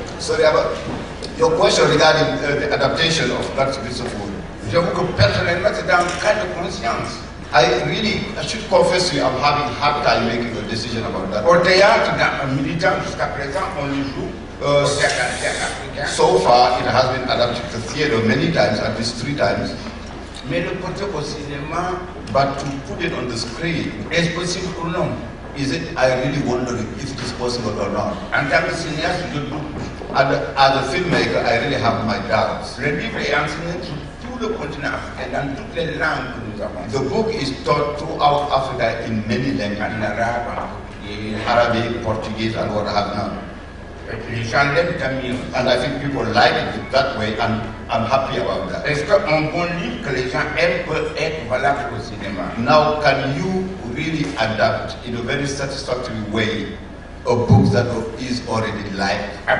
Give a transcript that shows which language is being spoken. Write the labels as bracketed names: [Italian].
[English] Sorry about your question regarding the adaptation of that piece of wood. [French] J'avoue que personnellement, c'est dans le cas de conscience. [English] I should confess to you, I'm having a hard time making a decision about that. Or they are militant [French] jusqu'à présent, on y joue. [English] So far, it has been adapted to theater many times, at least three times. [French] Mais le porter au cinéma, [English] but to put it on the screen, [French] est-ce possible ou non? [English] Is it, I really wonder if it is possible or not. And as a cinéaste, [French] je doute. [English] And as a filmmaker, I really have my doubts. [French] Le livre est enseigné sur tout le continent africain, dans toutes les langues que nous avons. [English] The book is taught throughout Africa in many languages. [French] En arabe, en portugais. [English] Arabic, Portuguese, and what have you. [French] Et les gens l'aiment tamir. [English] And I think people like it that way, and I'm happy about that. [French] Est-ce qu'un bon livre que les gens aiment peut être valable au cinéma? [English] Now, can you really adapt in a very satisfactory way a book that is already liked?